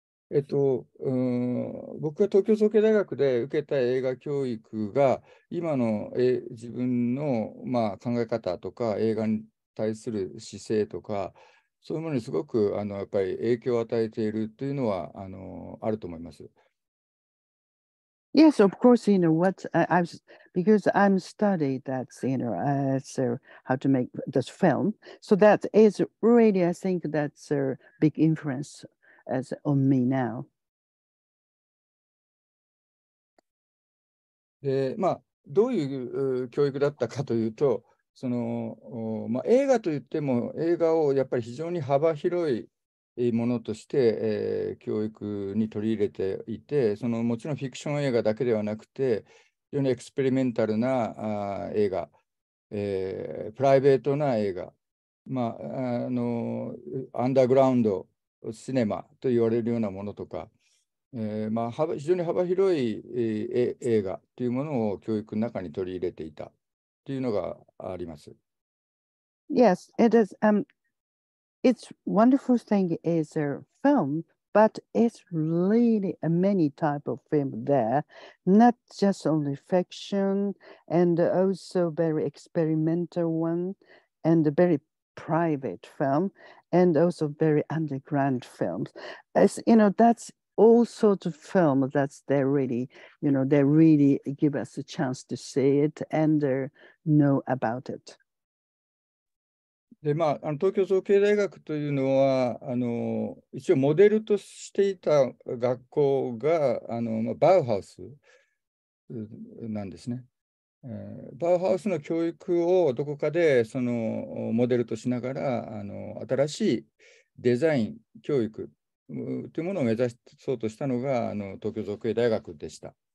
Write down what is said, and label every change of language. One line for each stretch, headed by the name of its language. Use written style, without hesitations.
Japanese: 僕は東京造形大学で受けた映画教育が今の自分の、まあ、考え方とか映画に対する姿勢とかそういうものにすごくやっぱり影響を与えているというのはあると思います。
English: Yes, of course, you know, what I've, because I'm studying that, you know, so how to make this film. So that is really, I think that's a big influence as on me now.
Japanese: で、まあ、どういう教育だったかというと、その、まあ、映画といっても、映画をやっぱり非常に幅広いものとして、教育に取り入れていて、そのもちろんフィクション映画だけではなくて、非常にエクスペリメンタルな映画、プライベートな映画、まあアンダーグラウンドシネマと言われるようなものとか、まあ、非常に幅広い映画というものを教育の中に取り入れていたというのがあります。
English: Yes, it is. It's wonderful thing is a film, but it's really a many type of film there, not just only fiction and also very experimental one and a very private film and also very underground films. As you know, that's all sorts of film that's there really, you know, they really give us a chance to see it and know about it.
Japanese: でまあ、東京造形大学というのは一応モデルとしていた学校がバウハウスなんですね。バウハウスの教育をどこかでそのモデルとしながら新しいデザイン教育というものを目指そうとしたのが東京造形大学でした。